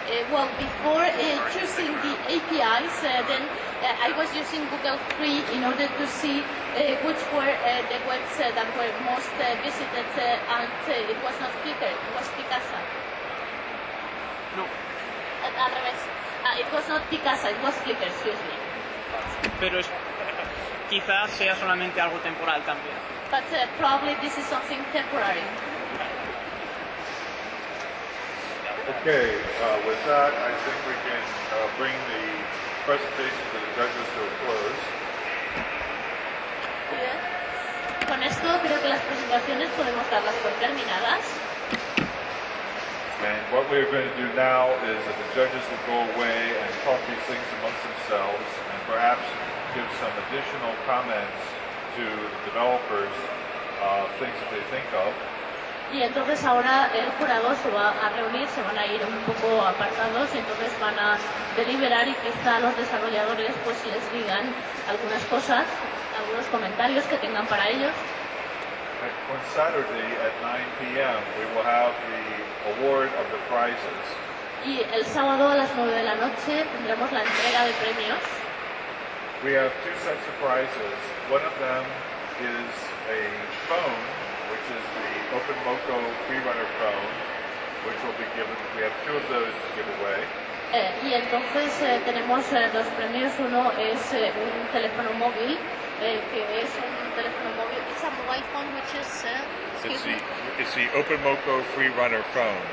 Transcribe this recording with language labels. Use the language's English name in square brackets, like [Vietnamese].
[English] Well, before choosing the APIs, then I was using Google 3 in order to see which were the webs that were most visited, and it was not Flickr, it was Picasa. [Spanish] No. Al revés. [English] It was not Picasa, it was Flickr, excuse me. [Spanish] Pero es, quizás sea solamente algo temporal también. [English] But probably this is something temporary. Okay, with that, I think we can bring the presentation to the judges to a close. [Spanish] Con esto creo que las presentaciones podemos darlas por terminadas. [English] And what we are going to do now is that the judges will go away and talk these things amongst themselves and perhaps give some additional comments to the developers, things that they think of. [Spanish] Y entonces ahora el jurado se va a reunir, se van a ir un poco apartados y entonces van a deliberar y quizá los desarrolladores pues les digan algunas cosas, algunos comentarios que tengan para ellos. [English] On Saturday at 9 p.m. we will have the award of the prizes. [Spanish] Y el sábado a las 9 de la noche tendremos la entrega de premios. [English] We have two sets of prizes. One of them is a phone, which is the OpenMoco Freerunner phone, which will be given. We have two of those to give away. [Spanish] Y entonces tenemos dos premios. Uno es un teléfono móvil, que es un teléfono móvil. [English] It's a mobile phone, which is... It's the OpenMoco Freerunner phone.